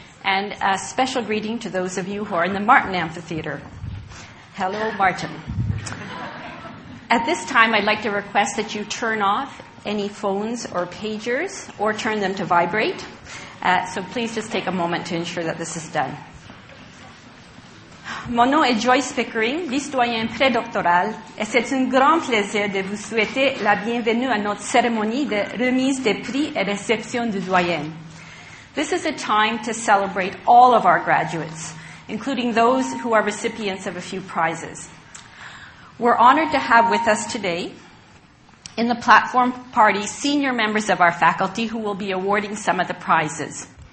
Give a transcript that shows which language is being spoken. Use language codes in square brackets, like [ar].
[en] And a special greeting to those of you who are in the Martin Amphitheater. Hello, Martin. At this time, I'd like to request that you turn off any phones or pagers or turn them to vibrate. So please just take a moment to ensure that this is done. [fr] Mon nom est Joyce Pickering, vice-doyen prédoctoral, et c'est un grand plaisir de vous souhaiter la bienvenue à notre cérémonie de remise des prix et réception du doyen. [en] This is a time to celebrate all of our graduates, including those who are recipients of a few prizes. We're honored to have with us today, in the platform party, senior members of our faculty who will be awarding some of the prizes.